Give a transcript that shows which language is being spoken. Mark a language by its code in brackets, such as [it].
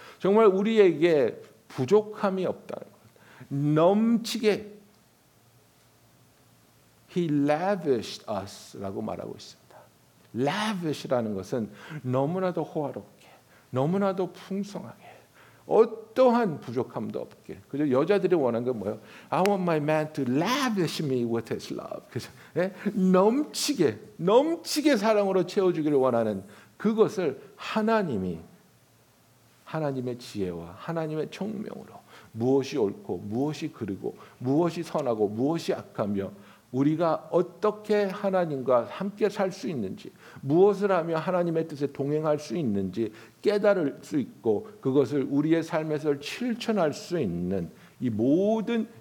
[ko] 정말 우리에게 부족함이 없다는 것, 넘치게 [en] He lavished us [ko] 라고 말하고 있습니다. Lavish라는 것은 너무나도 호화롭게, 너무나도 풍성하게, 어떠한 부족함도 없게. 그죠? 여자들이 원하는 건 뭐예요? [en] I want my man to lavish me with his love. [ko] 그죠? 네? 넘치게, 넘치게 사랑으로 채워주기를 원하는 그것을 하나님이 하나님의 지혜와 하나님의 총명으로 무엇이 옳고 무엇이 그르고 무엇이 선하고 무엇이 악하며 우리가 어떻게 하나님과 함께 살 수 있는지 무엇을 하며 하나님의 뜻에 동행할 수 있는지 깨달을 수 있고 그것을 우리의 삶에서 실천할 수 있는 이 모든